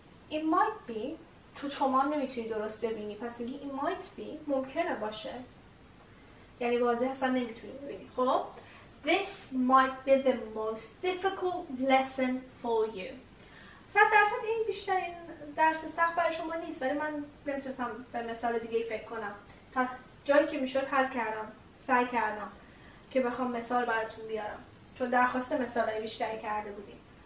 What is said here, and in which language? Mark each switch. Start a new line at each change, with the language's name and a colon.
English: It might be
Persian: تو شما نمیتونی درست ببینی، پس میگی
English: it might be،
Persian: ممکنه باشه، یعنی واضح اصلا نمیتونی ببینی.
English: خب This might be the most difficult lesson for you.
Persian: 100% این بیشترین درس سخت برای شما نیست، ولی من نمیتونستم به مثال دیگه فکر کنم، تا جایی که میشد حل کردم، سعی کردم که بخوام مثال براتون بیارم، چون درخواست مثالای بیشتری کرده بودیم.